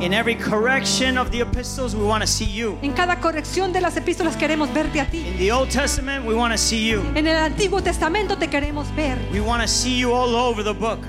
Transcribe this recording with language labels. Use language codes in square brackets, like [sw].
[en] In every correction of the epistles, we want to see you. [es] En cada corrección de las epístolas queremos verte a ti. [en] In the Old Testament, we want to see you. [es] En el Antiguo Testamento te queremos ver. [en] We want to see you all over the book.